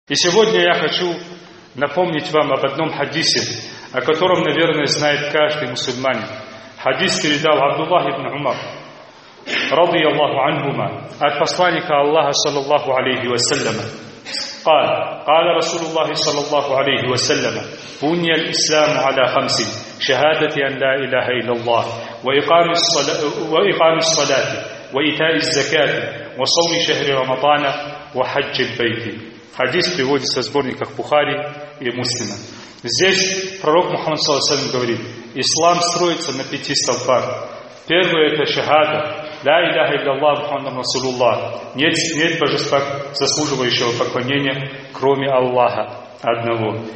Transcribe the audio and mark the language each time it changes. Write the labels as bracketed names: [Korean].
[Russian] И сегодня я хочу напомнить вам об одном хадисе, о котором, наверное, знает каждый мусульманин. Хадис передал Абдуллах ибн Умар, радиаллаху анхума, от посланника Аллаха, саллаллаху алейхи вассаляма. [Arabic] قال رسول الله صلى الله عليه وسلم بني الإسلام على خمس شهادة أن لا إله إلا الله وإقام الصلاة وإيتاء الزكاة وصوم شهر رمضان وحج البيت. [Russian] حديث приводится в сборниках Бухари и Муслима. Здесь пророк Мухаммад [Arabic] صلى الله عليه وسلم [Russian] говорит: ислам строится на пяти столпах. Первое — это шахада. [Arabic] «Ля иляха илляллах мухаммадан расулуллах». [Russian] Нет божества, заслуживающего поклонения, кроме Аллаха одного.